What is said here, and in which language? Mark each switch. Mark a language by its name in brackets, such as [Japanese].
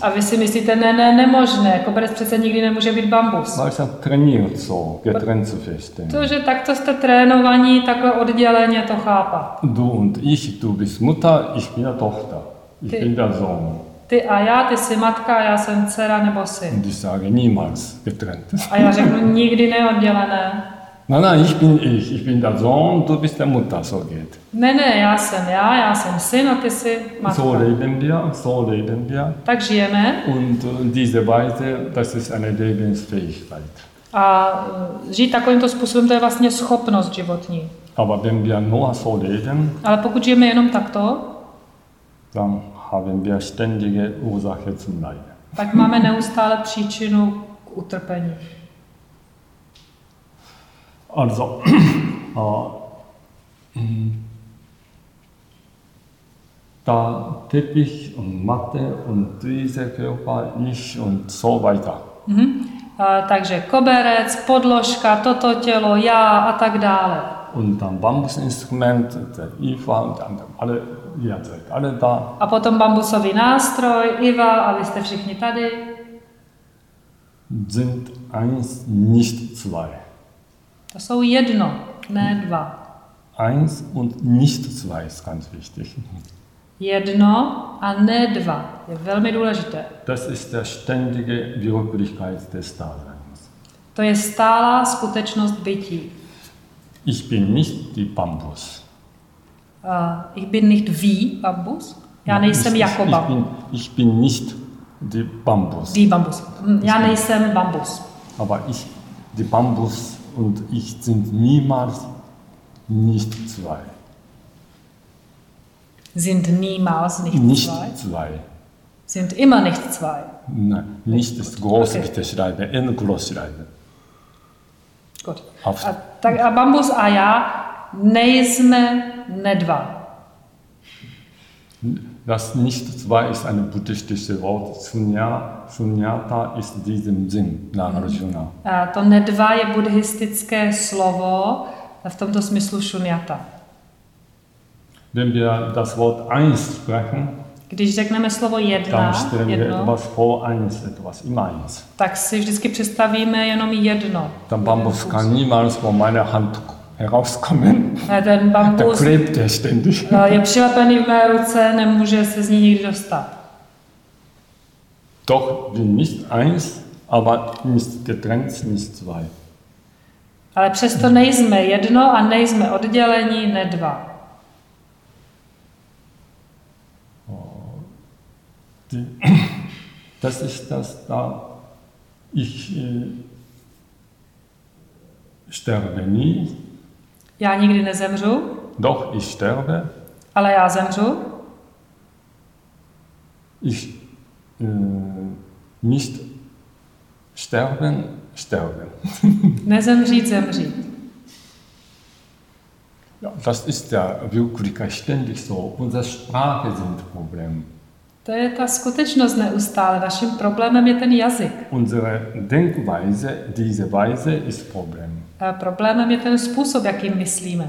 [Czech] A vy si myslíte, nemožné, koberec přece nikdy nemůže být bambus. [German] Weil ich trainiert so, getrennt zu festen. [Czech] To, že takto jste trénovaní, takhle odděleně to chápat. [German] Du und ich, du bist Mutter, ich bin Tochter, ich bin der Sohn. [Czech] Ty a já, ty jsi matka, já jsem dcera nebo syn. [German] Und ich sage niemals getrennt. [Czech] A já řeknu nikdy neoddělené. [German] Nein, ich bin der Sohn, du bist der Mutter, so geht. [Czech] Ne, já jsem syn a ty jsi matka. [German] So leben wir. [Czech] Tak žijeme. [German] Und diese Weise, das ist eine Lebensfähigkeit. [Czech] A žít takovýmto způsobem, to je vlastně schopnost životní. [German] Aber wenn wir nur so leben, [Czech] ale pokud žijeme jenom takto, [German] dann haben wir ständige Ursache zum Leiden. [Czech] Tak máme neustále příčinu k utrpení. [German] Also, da Teppich und Matte und diese Körper, ich und so weiter. [Czech] Takže koberec, podložka, toto tělo, já a tak dále. [German] Und dann Bambusinstrument, der Eva und die anderen, alle, ihr seid alle da. [Czech] A potom bambusový nástroj, Eva, a vy jste všichni tady. [German] Sind eins, nicht zwei. [Czech] To jsou jedno, ne dva. [German] Eins und nicht zwei ist ganz wichtig. [Czech] Jedno a ne dva je velmi důležité. [German] Das ist der ständige Wirklichkeit des Daseins. [Czech] To je stálá skutečnost bytí. [German] Ich bin nicht die Bambus. Ich bin nicht wie Bambus. [Czech] Ja, no, nejsem jako Bambus. [German] Ich bin nicht die Bambus. Die Bambus. [Czech] Ja, nejsem Bambus. [German] Aber ich, die Bambus und ich sind niemals nicht zwei. Sind niemals nicht zwei? Nicht zwei. Sind immer nicht zwei? Nein, nicht ist groß, okay. Bitte schreibe, in groß schreibe. Gut. [Czech] A Bambus a já nejsme ne dva. [German] Das nicht zwei ist ein buddhistisches Wort. Sunyata ist diesem Sinn, Nagarjuna. [Czech] To ne dva je buddhistické slovo, v tomto smyslu šunjata. [German] Wenn wir das Wort eins sprechen, [Czech] když řekneme slovo jedna, tam jedno, [German] eins, etwas, eins. [Czech] Tak si vždycky představíme jenom jedno. [German] Tam bambus kann niemals von meiner Hand herauskommen. [Czech] Ten bambus [German] klebt ständig. [Czech] Je přilepený v mé ruce, nemůže se z ní nikdy dostat. [German] Doch nicht eins, aber nicht getrennt, nicht zwei. [Czech] Ale přesto nejsme jedno a nejsme oddělení, ne dva. [German] Das ist das da ich sterbe nie. [Czech] Já nikdy nezemřu. [German] Doch ich sterbe. [Czech] Ale já zemřu. [German] Ich nicht sterben, sterben. [Czech] Nezemřít, zemřít. [German] Ja, das ist ja wirklich ständig so. Unsere Sprache sind Problem. [Czech] To je ta skutečnost neustále. Naším problémem je ten jazyk. [German] Unsere Denkweise, diese Weise ist Problem. [Czech] A problémem je ten způsob, jakým myslíme.